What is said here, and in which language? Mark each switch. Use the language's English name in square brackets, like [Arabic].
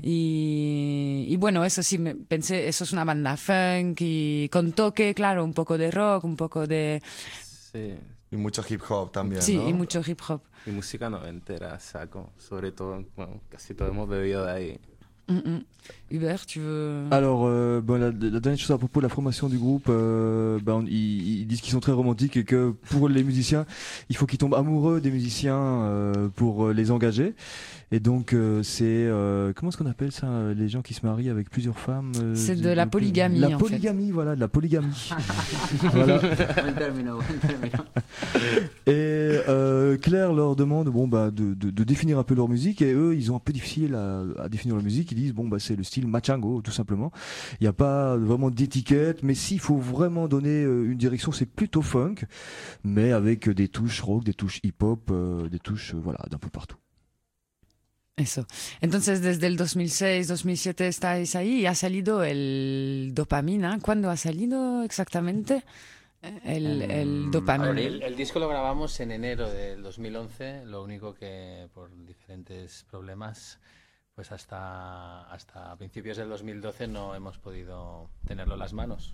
[Spanish] Y bueno, eso sí, pensé, eso es una banda funk y con toque, claro, un poco de rock, un poco de... Sí. Y mucho hip hop también, sí, ¿no? Y mucho hip hop. Y música noventera, o sea, sobre todo, bueno, casi todo hemos bebido de ahí. [French] Mm-hmm. Hubert, tu veux... Alors, la dernière chose à propos de la formation du groupe, ils disent qu'ils sont très romantiques et que pour les musiciens, il faut qu'ils tombent amoureux des musiciens pour les engager. Et donc, c'est. Comment est-ce qu'on appelle ça, les gens qui se marient avec plusieurs femmes C'est de la polygamie. La polygamie, en fait. Voilà, de la polygamie. Voilà. Un terminal, un Et Claire leur demande bon, bah, de définir un peu leur musique. Et eux, ils ont un peu difficile à définir leur musique. Ils disent bon, bah, c'est le style machango, tout simplement. Il n'y a pas vraiment d'étiquette. Mais s'il faut vraiment donner une direction, c'est plutôt funk. Mais avec des touches rock, des touches hip-hop, des touches voilà, d'un peu partout. [Spanish] Eso. Entonces, desde el 2006, 2007 estáis ahí y ha salido el Dopamina. ¿Cuándo ha salido exactamente el Dopamina? El disco lo grabamos en enero del 2011, lo único que por diferentes problemas, pues hasta principios del 2012 no hemos podido tenerlo en las manos.